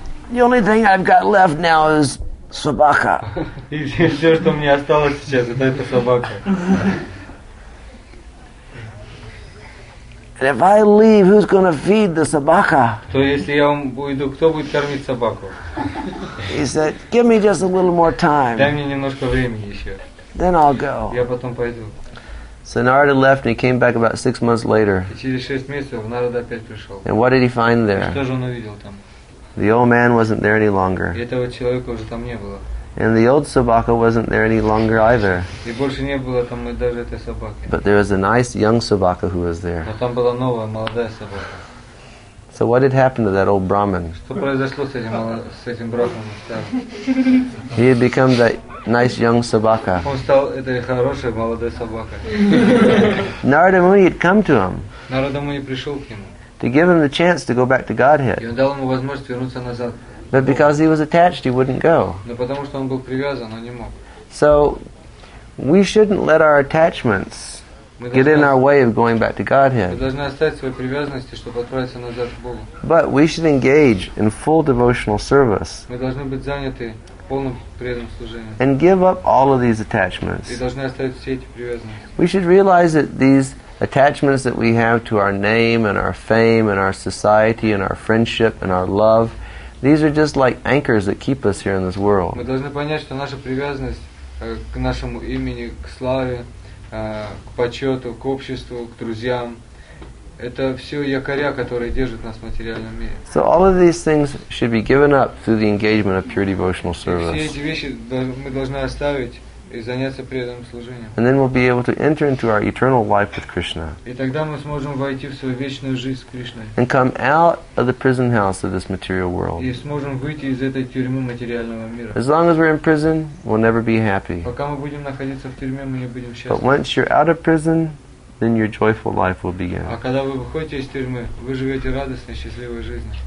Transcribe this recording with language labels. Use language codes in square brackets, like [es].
[en] The only thing I've got left now is собака. [ru] И все, что мне осталось сейчас, это собака. [en] And if I leave, who's going to feed the собака? [ru] То если я уйду, кто будет кормить собаку? [en] He said, "Give me just a little more time." [ru] Дай мне немножко времени еще. [en] Then I'll go. [ru] Я потом пойду. [en] So Narada left and he came back about 6 months later. [ru] И через 6 месяцев Нарада опять пришел. [en] And what did he find there? [ru] Что же он увидел там? [en] The old man wasn't there any longer. [ru] И этого человека уже там не было. [en] And the old собака wasn't there any longer either. [ru] И больше не было там даже этой собаки. [en] But there was a nice young собака who was there. [ru] Но там была новая молодая собака. [en] So what had happened to that old Brahmin? [ru] Что произошло с этим брахманом? [en] He had become that nice young собака. [ru] Он стал этой хорошей молодой собакой. [en] Narada Muni had come to him. [ru] Narada Muni пришел к нему. [en] To give him the chance to go back to Godhead. [ru] И он дал ему возможность вернуться назад. [en] But because he was attached, he wouldn't go. [ru] Но потому что он был привязан, он не мог. [en] So, we shouldn't let our attachments get in our way of going back to Godhead. [ru] Мы должны оставить свои привязанности, чтобы отправиться назад к Богу. [en] But we should engage in full devotional service. [ru] Мы должны быть заняты полным преданным служением. [en] And give up all of these attachments. [ru] И должны оставить все эти привязанности. [en] We should realize that these attachments that we have to our name and our fame and our society and our friendship and our love, these are just like anchors that keep us here in this world. [ru] Мы должны понять, что наша привязанность к нашему имени, к славе, к почету, к обществу, к друзьям, это все якоря, которые держат нас в материальном мире. [en] So all of these things should be given up through the engagement of pure devotional service. [ru] И все эти вещи мы должны оставить и заняться преданным служением. [en] And then we'll be able to enter into our eternal life with Krishna. [ru] И тогда мы сможем войти в свою вечную жизнь с Кришной. [en] And come out of the prison house of this material world. [ru] И сможем выйти из этой тюрьмы материального мира. [en] As long as we're in prison, we'll never be happy. [ru] Пока мы будем находиться в тюрьме, мы не будем счастливы. [en] But once you're out of prison, then your joyful life will begin. [ru] А когда вы выходите из тюрьмы, вы живете радостной, счастливой жизнью.